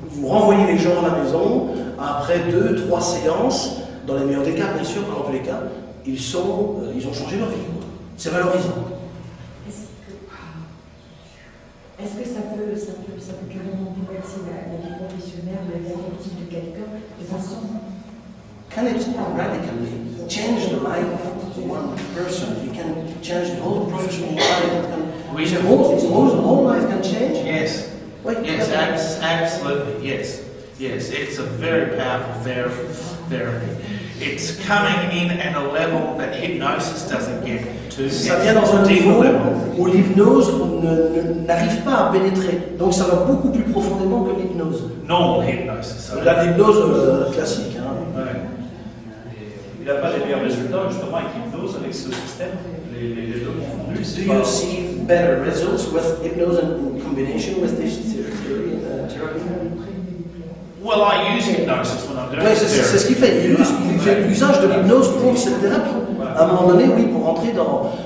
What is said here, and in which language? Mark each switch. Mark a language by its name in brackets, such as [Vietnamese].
[French] vous renvoyez les gens à la maison, après 2-3 séances, dans les meilleurs des cas, bien sûr, dans tous les cas, ils ont changé leur vie. C'est valorisant. Est-ce que ça peut carrément bouleverser la vie professionnelle, la vie affective de quelqu'un, de façon... [English] Can it radically change the life of one person? It can change the whole professional life. The whole life can change. Yes. Absolutely. Yes. Yes. It's a very powerful therapy. It's coming in at a level that hypnosis doesn't get to. [French] Ça vient dans un niveau où l'hypnose n'arrive pas à pénétrer. Donc ça va beaucoup plus profondément que l'hypnose. [English] Normal hypnosis. [French] La hypnose classique. Hein. Ouais. Il n'a pas les meilleurs résultats justement avec hypnose, avec ce système, les deux confondus. [English] Do you see better results with hypnose and in combination with this theory and therapy? Well, I use hypnosis when I'm doing therapy. [French] C'est ce qu'il fait. Il fait l'usage de l'hypnose pour cette thérapie. À un moment donné, oui, pour entrer dans...